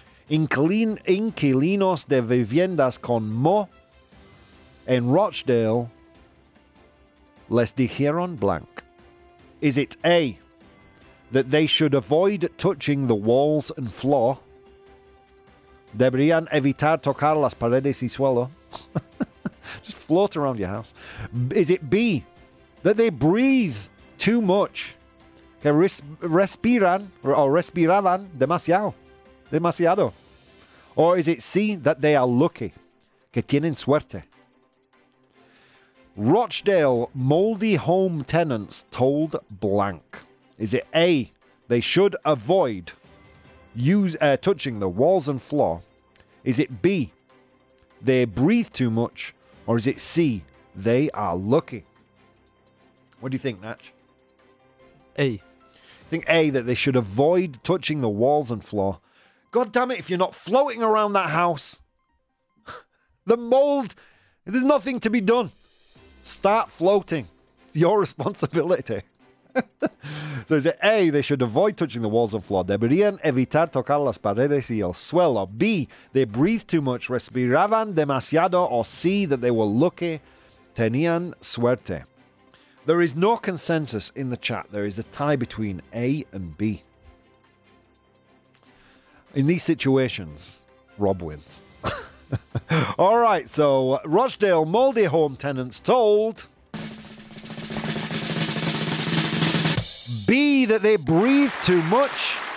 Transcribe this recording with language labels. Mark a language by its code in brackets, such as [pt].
[es] Inquilinos de viviendas con mo en Rochdale les dijeron blank. [en] Is it A, that they should avoid touching the walls and floor? [es] Deberían evitar tocar las paredes y suelo. [en] Just float around your house? Is it B, that they breathe too much? [es] Que respiran or respiraban demasiado? Demasiado. [en] Or is it C, that they are lucky? [es] Que tienen suerte. [en] Rochdale moldy home tenants told blank. Is it A, they should avoid touching the walls and floor? Is it B, they breathe too much? Or is it C, they are lucky? What do you think, Natch? A. I think A, that they should avoid touching the walls and floor. God damn it, if you're not floating around that house. The mold, there's nothing to be done. Start floating. It's your responsibility. So is it A, they should avoid touching the walls and floor? [es] Deberían evitar tocar las paredes y el suelo. [en] B, they breathe too much, [es] respiraban demasiado. [en] Or C, that they were lucky, [es] tenían suerte. [en] There is no consensus in the chat. There is a tie between A and B. In these situations, Rob wins. All right, so Rochdale moldy home tenants told B, that they breathe too much.